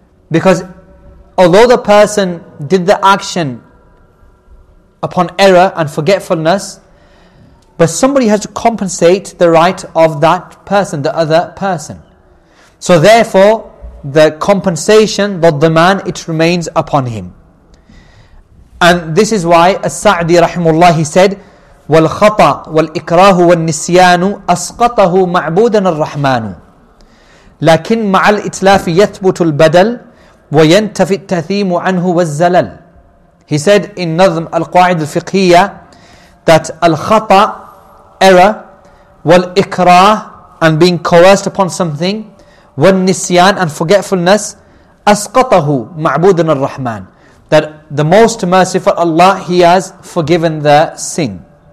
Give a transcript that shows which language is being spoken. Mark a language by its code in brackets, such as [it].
[en] Because although the person did the action upon error and forgetfulness, but somebody has to compensate the right of that person, the other person. So therefore, the compensation, the man, it remains upon him. And this is why As-Sa'di rahimullah, he said, [ar] وَالْخَطَى وَالْإِكْرَاهُ وَالنِّسْيَانُ أَسْقَطَهُ مَعْبُودًا الرَّحْمَانُ لَكِنْ مَعَ الْإِتْلَافِ يَثْبُتُ الْبَدَلُ وَيَنْتَفِي التَّثِيمُ عَنْهُ وَالزَّلَلُ. [en] He said in Nazm Al-Qua'id Al-Fiqhiyya that Al-Khata, error, Wal-Ikrah, and being coerced upon something, Wal-Nisyan, and forgetfulness, [ar] Asqatahu, Ma'budun Ar-Rahman, [en] that the most merciful Allah, He has forgiven the sin.